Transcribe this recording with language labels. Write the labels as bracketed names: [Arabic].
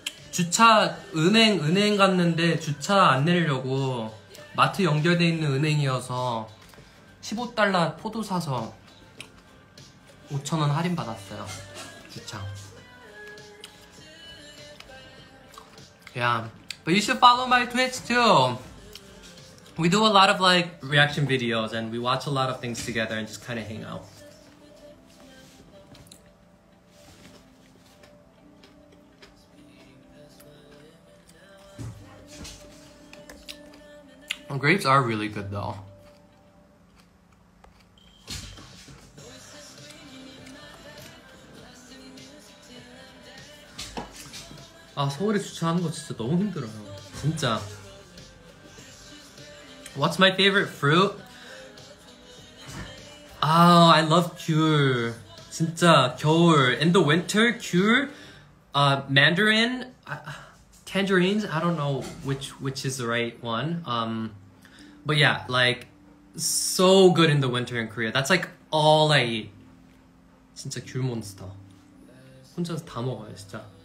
[Korean] 주차, 은행 갔는데 주차 안 내리려고 마트 연결되어 있는 은행이어서 $15 포도 사서 5,000원 할인 받았어요. 주차. [English] Yeah, but you should follow my Twitch too. We do a lot of like reaction videos and we watch a lot of things together and just kind of hang out. Well, grapes are really good though. [Korean] 아 서울에 주차하는 거 진짜 너무 힘들어요 진짜 [English] What's my favorite fruit? I love [Korean] 귤 진짜 겨울 [English] In the winter, 귤 mandarin tangerines I don't know which is the right one but yeah like so good in the winter in Korea that's like all I eat [Korean] 진짜 귤 몬스터 혼자서 다 먹어요 진짜